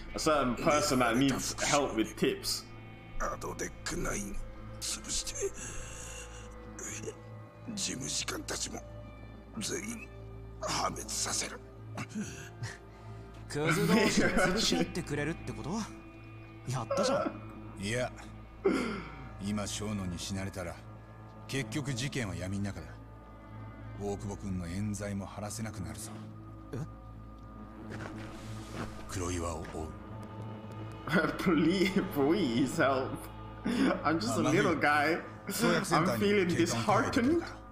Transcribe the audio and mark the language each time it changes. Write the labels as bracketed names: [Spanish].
[English] A certain person that needs help with tips. [Japanese] アドデックナイン潰して。事務次官たちも全員破滅させる。クズ同士で潰し合ってくれるってこと？やったじゃん。いや、今小野に死なれたら結局事件は闇の中だ。大久保君の冤罪も晴らせなくなるぞ。え？黒岩を追う。 [English] Please, please help. I'm just a little guy. I'm feeling disheartened.